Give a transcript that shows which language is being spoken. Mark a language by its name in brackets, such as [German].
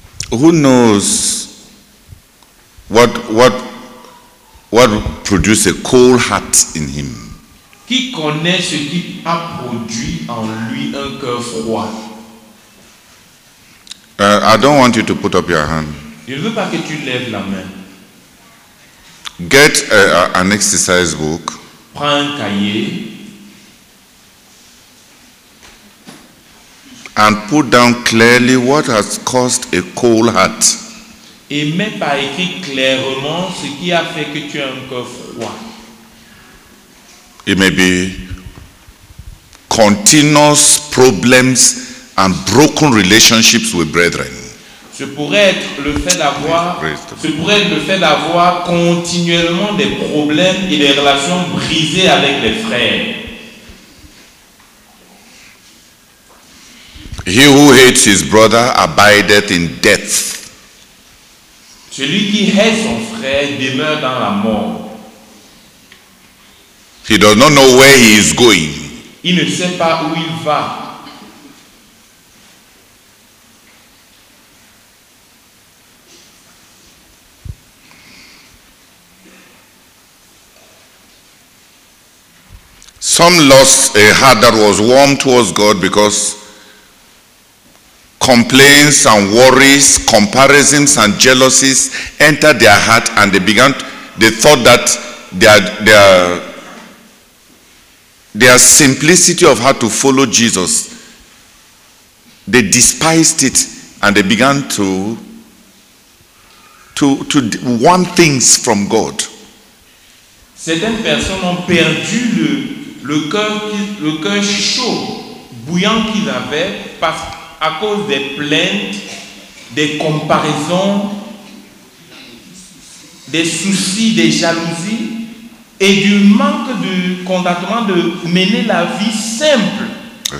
[English] Who knows what produced a cold heart in him? [French] Qui connaît ce qui a produit en lui un cœur froid? [English] I don't want you to put up your hand. [French] Je ne veux pas que tu lèves la main. [English] Get an exercise book. [French] Prends un cahier. [English] And put down clearly what has caused a cold heart. [French] Et mets par écrit clairement ce qui a fait que tu as un cœur froid. [English] It may be continuous problems and broken relationships with brethren. [French] Ce pourrait être le fait d'avoir continuellement des problèmes et des relations brisées avec les frères. [English] He who hates his brother abideth in death. [French] Celui qui hait son frère demeure dans la mort. [English] He does not know where he is going. [French] Il ne sait pas où il va. [English] Some lost a heart that was warm towards God because complaints and worries, comparisons and jealousies entered their heart, and they thought that their simplicity of heart to follow Jesus, they despised it, and they began to want things from God. [French] Certaines personnes ont perdu le cœur chaud, bouillant qu'il avait parce que à cause des plaintes, des comparaisons, des soucis, des jalousies et du manque de contentement de mener la vie simple.